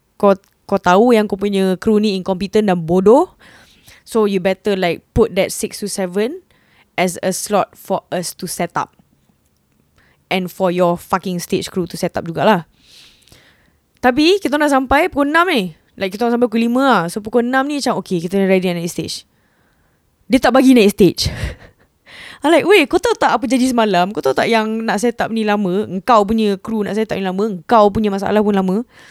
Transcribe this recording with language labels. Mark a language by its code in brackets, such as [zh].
[ms] Kau tahu yang kau punya crew ni incompetent dan bodoh. [en] So you better like put that 6 to 7 as a slot for us to set up, and for your fucking stage crew to set up jugalah. [ms] Tapi kita dah sampai pukul 6 ni. Like kita dah sampai pukul 5 lah. So pukul 6 ni macam okay, kita dah ready naik stage. Dia tak bagi naik stage. [en] I'm like, [ms] weh, kau tahu tak apa jadi semalam? Kau tahu tak yang nak set up ni lama? Engkau punya crew nak set up ni lama? Engkau punya masalah pun lama?